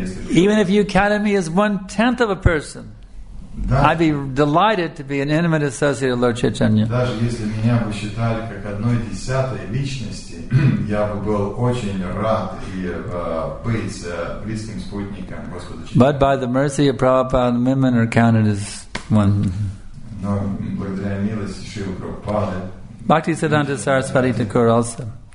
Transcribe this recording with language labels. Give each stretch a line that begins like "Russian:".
English: Even if you counted me as 1/10 of a person,
Russian: да,
English: I'd be delighted to be an intimate associate of Lord Chaitanya.
Russian: Даже если меня бы считали как одной десятой личности, я бы был очень рад и быть близким спутником Господа Чайтаньи.
English: But by the mercy of Prabhupada, women are counted as one.
Russian: Но благодаря милости Шрилы Прабхупады.
English: Бхактисиддханта Сарасвати Такур also.